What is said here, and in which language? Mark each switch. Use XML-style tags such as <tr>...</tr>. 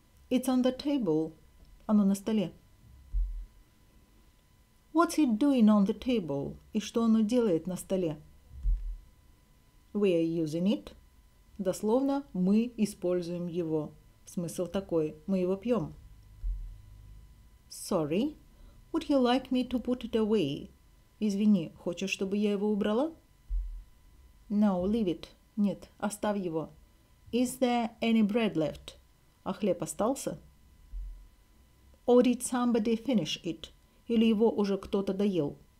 <en>It's on the table.</en> <ru>Оно на столе.</ru> <en>What's he doing on the table?</en> <ru>И что оно делает на столе?</ru> <en>We're using it.</en> <ru>Дословно, мы используем его. Смысл такой, мы его пьем.</ru> <en>Sorry, would you like me to put it away?</en> <ru>Извини, хочешь, чтобы я его убрала?</ru> <en>No, leave it.</en> <ru>Нет, оставь его.</ru> <en>Is there any bread left?</en> <ru>А хлеб остался?</ru> <en>Or did somebody finish it?</en> <ru>Или его уже кто-то доел?</ru>